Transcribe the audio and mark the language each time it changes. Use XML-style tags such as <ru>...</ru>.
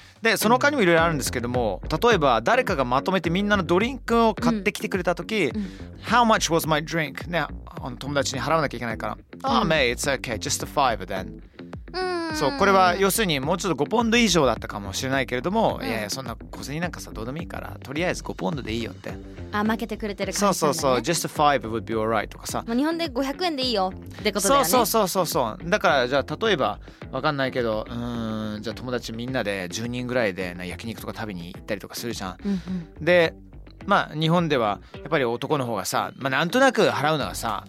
<ja>でその他にもいろいろあるんですけども、例えば誰かがまとめてみんなのドリンクを買ってきてくれた時、うん、</ja> <en>How much was my drink?</en> <ja>ね、あの友達に払わなきゃいけないから、うん、</ja> <en>Oh mate, it's okay, just a five then、</en> <ja>そう、これは要するにもうちょっと5ポンド以上だったかもしれないけれども、うん、いやいや、そんな小銭なんかさどうでもいいから、とりあえず5ポンドでいいよって、あ、負けてくれてる感じなんだね。</ja> <en>そうそうそう、 Just a five would be alright とかさ、</en> <ja>まあ、日本で500円でいいよってことだよね。そうそうそうそう、だからじゃあ例えばわかんないけど、うーん、じゃあ友達みんなで10人ぐらいで焼肉とか食べに行ったりとかするじゃん、うんうん、でまあ日本ではやっぱり男の方がさ、まあ、なんとなく払うのがさ、</ja>